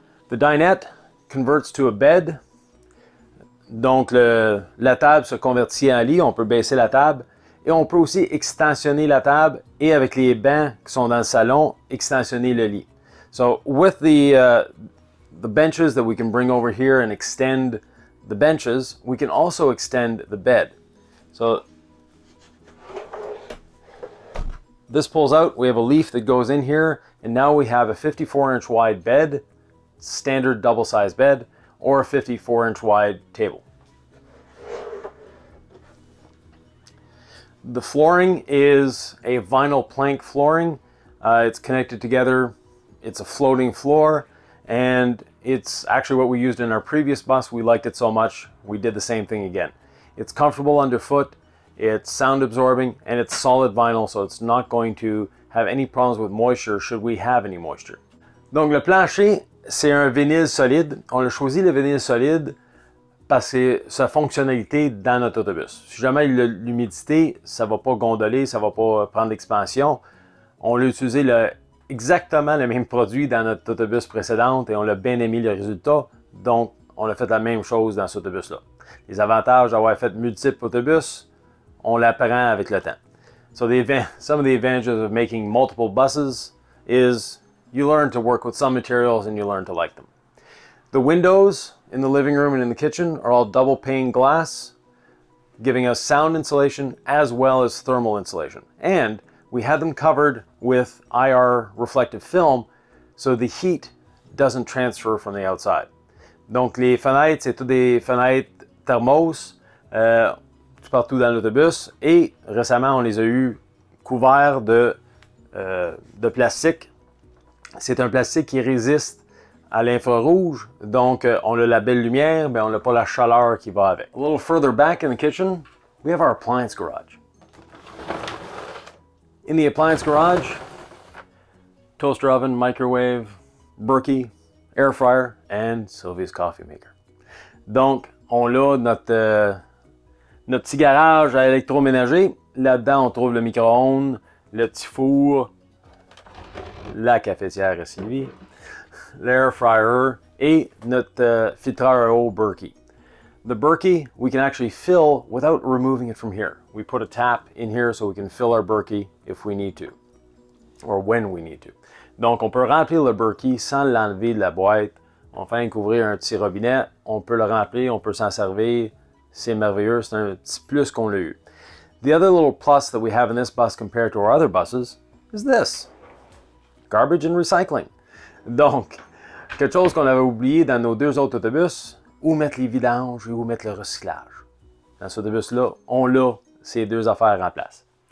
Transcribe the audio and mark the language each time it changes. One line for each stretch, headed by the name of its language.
English: The dinette converts to a bed.
French: Donc la table se convertit en lit, on peut baisser la table et on peut aussi extensionner la table et avec les bancs qui sont dans le salon, extensionner le lit.
English: So with the benches that we can bring over here and extend the benches, we can also extend the bed. So, this pulls out, we have a leaf that goes in here, and now we have a 54-inch wide bed, standard double-size bed, or a 54-inch wide table. The flooring is a vinyl plank flooring. It's connected together, it's a floating floor, and it's actually what we used in our previous bus. We liked it so much, we did the same thing again. It's comfortable underfoot. It's sound absorbing and it's solid vinyl, so it's not going to have any problems with moisture should we have any moisture.
French: Donc le plancher, c'est un vinyle solide. On a choisi le vinyle solide parce que sa fonctionnalité dans notre autobus. Si jamais l'humidité, ça va pas gondoler, ça va pas prendre d'expansion. On l'a utilisé exactement le même produit dans notre autobus précédente et on l'a bien aimé le résultat. Donc on a fait la même chose dans cet autobus-là. Les avantages d'avoir fait multiples autobus, on l'apprend avec le temps.
English: So some of the advantages of making multiple buses is you learn to work with some materials and you learn to like them. The windows in the living room and in the kitchen are all double pane glass, giving us sound insulation as well as thermal insulation. And we have them covered with IR reflective film so the heat doesn't transfer from the outside.
French: Donc les fenêtres, c'est toutes des fenêtres thermos, partout dans l'autobus et récemment on les a eu couverts de plastique C'est un plastique qui résiste à l'infrarouge, donc on a la belle lumière, mais on n'a pas la chaleur qui va avec.
English: A little further back in the kitchen, we have our appliance garage. In the appliance garage, toaster oven, microwave, Berkey, air fryer, and Sylvia's coffee maker.
French: Donc, on a notre petit garage à électroménager. Là-dedans, on trouve le micro-ondes, le petit four, la cafetière à Sylvie, l'air fryer et notre filtreur à eau Berkey.
English: The Berkey, we can actually fill without removing it from here. We put a tap in here so we can fill our Berkey if we need to, or when we need to.
French: Donc, on peut remplir le Berkey sans l'enlever de la boîte. Enfin, couvrir un petit robinet, on peut le remplir, on peut s'en servir. C'est merveilleux, c'est un petit plus qu'on l'a eu.
English: The other little plus that we have in this bus compared to our other buses is this. Garbage and recycling.
French: Donc, quelque chose qu'on avait oublié dans nos deux autres autobus, où mettre les vidanges et où mettre le recyclage. Dans cet autobus-là, on l'a, ces deux affaires en place.